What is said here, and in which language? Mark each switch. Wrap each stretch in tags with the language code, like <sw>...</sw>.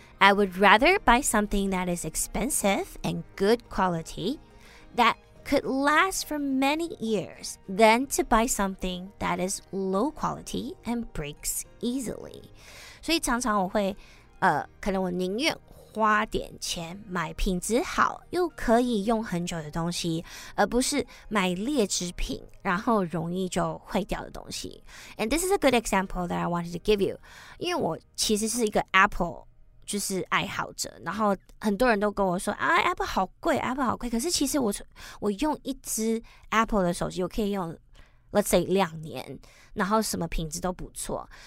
<en>I would rather buy something that is expensive and good quality thatcould last for many years than to buy something that is low quality and breaks easily.</en> <zh>所以常常我会可能我宁愿花点钱买品质好又可以用很久的东西，而不是买劣质品然后容易就坏掉的东西。</zh> <en>And this is a good example that I wanted to give you.</en> <zh>因为我其实是一个 Apple就是爱好者，然后很多人都跟我说啊 ，Apple 好贵 ，Apple 好贵。可是其实我用一只 Apple 的手机，我可以用</zh> <en>let's say</en> <zh>两年，然后什么品质都不错。</zh>